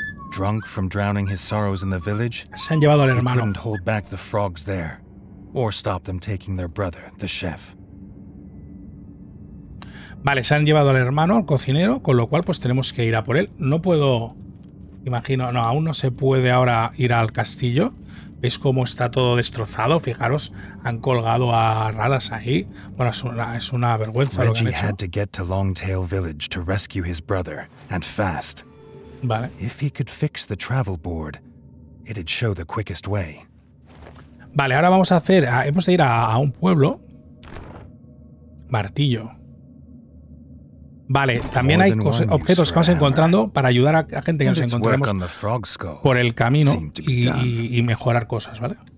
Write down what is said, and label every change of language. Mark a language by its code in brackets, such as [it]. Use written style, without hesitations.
[en] Drunk from drowning his sorrows in the village. [es] Se han llevado al hermano. [en] He couldn't hold back the frogs there, or stop them taking their brother, the chef. [es] Vale, se han llevado al hermano, al cocinero, con lo cual pues tenemos que ir a por él. No puedo, imagino, no, aún no se puede ahora ir al castillo. ¿Veis cómo está todo destrozado? Fijaros, han colgado a Radas ahí. Bueno, es una vergüenza Reggie lo que han hecho. [en] Had to get to Longtail Village to rescue his brother, and fast. [es] Vale. [en] If he could fix the travel board, it'd show the quickest way. [es] Vale, ahora vamos a hacer, hemos de ir a un pueblo. Martillo. Vale, también hay objetos que vamos encontrando para ayudar a gente que nos encontremos por el camino y mejorar cosas, ¿vale?